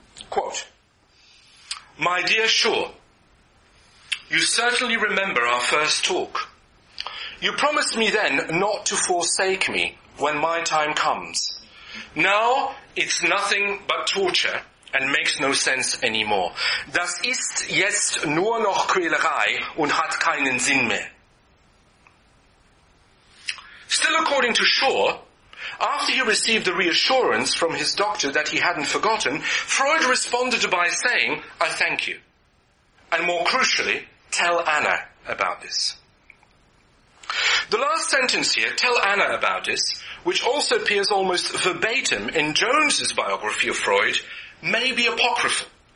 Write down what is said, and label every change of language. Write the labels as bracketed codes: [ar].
[en] Quote, "My dear Shaw, you certainly remember our first talk. You promised me then not to forsake me when my time comes. Now it's nothing but torture and makes no sense anymore. [de] Das ist jetzt nur noch Quälerei und hat keinen Sinn mehr." [en] Still according to Shaw, after he received the reassurance from his doctor that he hadn't forgotten, Freud responded by saying, "I thank you." And more crucially, "Tell Anna about this." The last sentence here, "Tell Anna about this," which also appears almost verbatim in Jones's biography of Freud, may be apocryphal.